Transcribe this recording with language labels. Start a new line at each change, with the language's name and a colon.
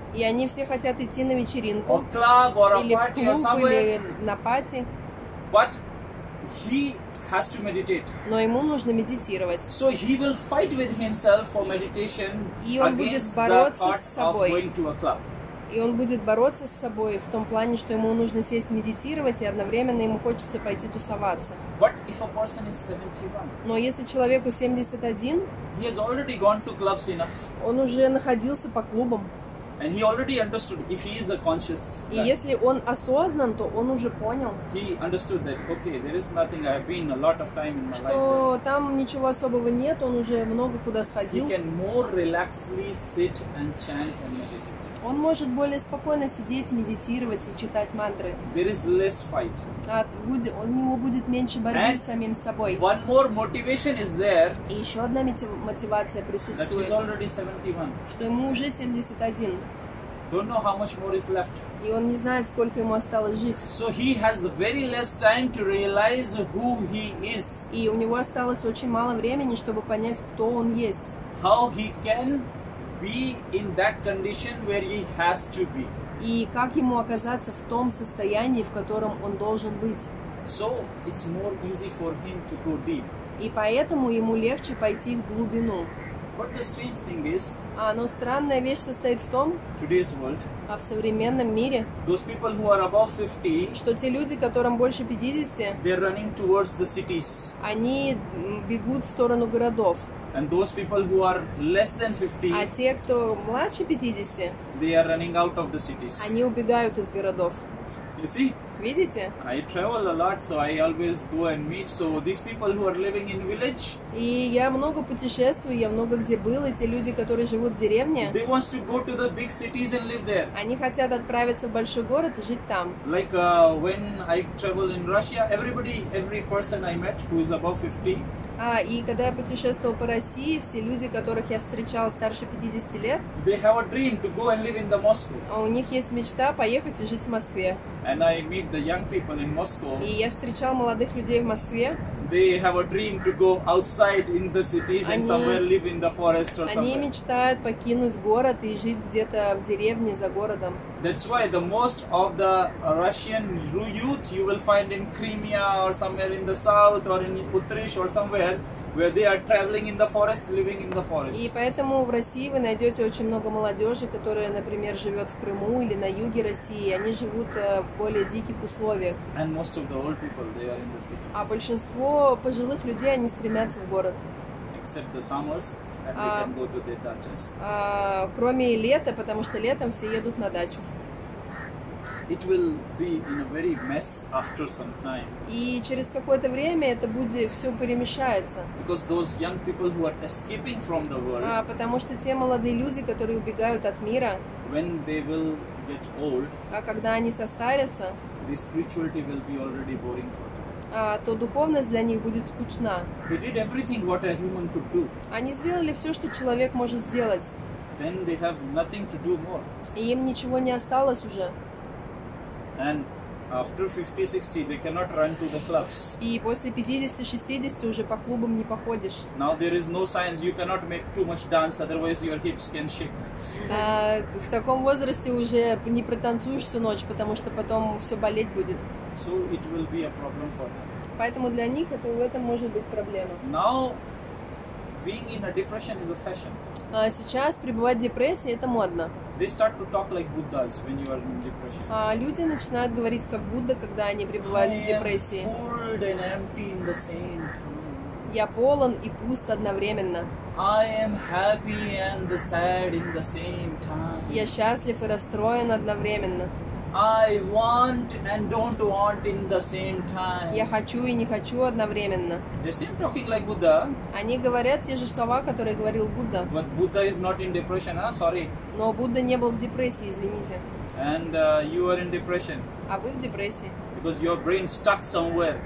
Russian: И они все хотят идти на вечеринку.
English: Or club, or a party,
Russian: или в клуб,
English: or somewhere.
Russian: Или на пати.
English: But he has to meditate.
Russian: Но ему нужно медитировать.
English: So he will fight with himself for meditation.
Russian: И он будет бороться с собой.
English: Of going to a club.
Russian: И он будет бороться с собой в том плане, что ему нужно сесть медитировать, и одновременно ему хочется пойти тусоваться.
English: But if a person is 71?
Russian: Но если человеку 71?
English: He has already gone to clubs enough.
Russian: Он уже находился по клубам.
English: And he already understood if he is a conscious. И если он осознан, то он уже понял. He understood that okay, there is nothing. I have been a lot of time in my life.
Russian: Что там ничего особого нет, он уже много куда сходил.
English: He can more relaxedly sit and chant and meditate.
Russian: Он может более спокойно сидеть, медитировать и читать мантры.
English: There is less fight.
Russian: У него будет меньше борьбы с самим собой.
English: One more motivation is there.
Russian: И еще одна мотивация присутствует.
English: That he's already 71.
Russian: Что ему уже 71.
English: Don't know how much more is left.
Russian: И он не знает, сколько ему осталось жить.
English: So he has very less time to realize who he is.
Russian: И у него осталось очень мало времени, чтобы понять, кто он есть.
English: How he can be in that condition where he has to be.
Russian: И как ему оказаться в том состоянии, в котором он должен быть?
English: So it's more easy for him to go deep.
Russian: И поэтому ему легче пойти в глубину.
English: But the strange thing is,
Russian: но странная вещь состоит в том,
English: today's world,
Russian: в современном мире,
English: those people who are above 50,
Russian: что те люди, которым больше 50,
English: they're running towards the cities.
Russian: Они бегут в сторону городов.
English: And those people who are less than 50,
Russian: а те, кто младше 50,
English: they are running out of the cities.
Russian: Они убегают из городов.
English: You see?
Russian: Видите?
English: I travel a lot, so I always go and meet. So these people who are living in village.
Russian: И я много путешествую, я много где был. Эти люди, которые живут в деревне,
English: they want to go to the big cities and live there.
Russian: Они хотят отправиться в большой город и жить там.
English: Like when I travel in Russia, every person I met who is above 50.
Russian: И когда я путешествовал по России, все люди, которых я встречал старше 50 лет,
English: they have a dream to go and live in the Moscow.
Russian: У них есть мечта поехать и жить в Москве.
English: And I meet the young people in Moscow.
Russian: И я встречал молодых людей в Москве.
English: They have a dream to go outside in the cities and somewhere live in the forest or
Russian: они
English: somewhere.
Russian: Они мечтают покинуть город и жить где-то в деревне за городом.
English: That's why the most of the Russian youth you will find in Crimea or somewhere in the south or in Utrecht or somewhere where they are traveling in the forest, living in the forest.
Russian: И поэтому в России вы найдете очень много молодежи, которая, например, живет в Крыму или на юге России. Они живут в более диких условиях.
English: And most of the old people, they are in the cities.
Russian: А большинство пожилых людей, они стремятся в город.
English: Except the summers, and they can go to their dachas.
Russian: Кроме лета, потому что летом все едут на дачу.
English: It will be in a very mess after some time.
Russian: И через какое-то время это будет все перемешается.
English: Because those young people who are escaping from the world.
Russian: Потому что те молодые люди, которые убегают от мира.
English: When they will get old.
Russian: Когда они состарятся.
English: the spirituality will be already boring for them.
Russian: То духовность для них будет скучна.
English: They did everything what a human could do.
Russian: Они сделали все, что человек может сделать.
English: Then they have nothing to do more.
Russian: И им ничего не осталось уже.
English: And after 50-60 they cannot run to the clubs.
Russian: И после 50-60 уже по клубам не походишь.
English: Now there is no science, you cannot make too much dance, otherwise your hips can shake.
Russian: В таком возрасте уже не протанцуешь всю ночь, потому что потом все болеть будет.
English: So it will be a problem for them.
Russian: Поэтому для них это в этом может быть проблема.
English: Now being in a depression is a fashion.
Russian: Сейчас пребывать в депрессии это модно.
English: They start to talk like Buddhas when you are in depression.
Russian: Люди начинают говорить как Будда, когда они пребывают в депрессии.
English: I am full and empty in the same.
Russian: Я полон и пуст одновременно.
English: I am happy and the sad in the same time.
Russian: Я счастлив и расстроен одновременно.
English: I want and don't want in the same time.
Russian: Я хочу и не хочу одновременно.
English: They seem talking like Buddha.
Russian: Они говорят те же слова, которые говорил Будда.
English: But Buddha is not in depression, huh? Sorry.
Russian: Но Будда не был в депрессии, извините.
English: And you are in depression.
Russian: А вы в депрессии.
English: Because your brain stuck somewhere.